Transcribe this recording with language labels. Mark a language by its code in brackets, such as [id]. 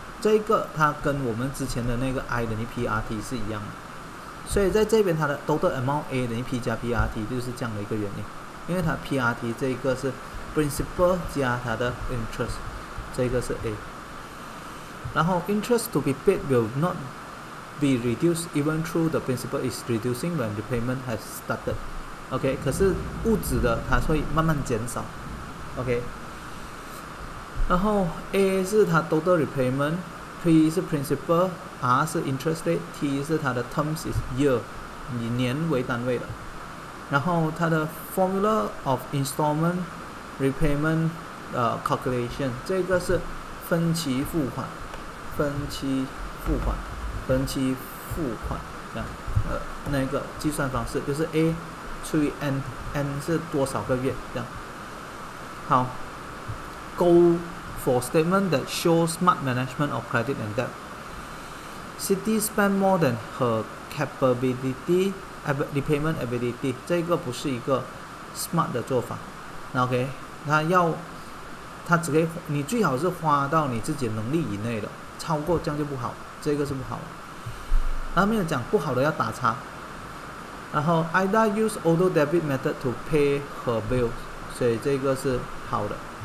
[zh] 这个它跟我们之前的那个 I 等于 PRT 是一样的，所以在这边它的 total amount A 等于 P 加 PRT 就是这样的一个原因，因为它 PRT 这一个是 principal 加它的 interest，这个是 A。然后 [en] interest to be paid will not be reduced even though the principal is reducing when repayment has started。 [zh] OK，可是物质的它会慢慢减少。 OK，然后 A 是它 total repayment，P 是 principal，R 是 interest rate，T 是它的 terms is year，以年为单位的。然后它的 [en] formula of installment repayment calculation， [zh] 这个是分期付款，分期付款，分期。付款这样，那个计算方式就是 A 除以 N，N 是多少个月这样。好， [en] Go for statement that show smart management of credit and debt. City spend more than her capability, repayment ability. [zh] 这个不是一个 smart 的做法。 OK，他只给你最好是花到你自己能力以内的，超过这样就不好，这个是不好的。他没有讲不好的要打叉，然后 [en] Ida use auto debit method to pay her bills， [zh] 所以这个是好的。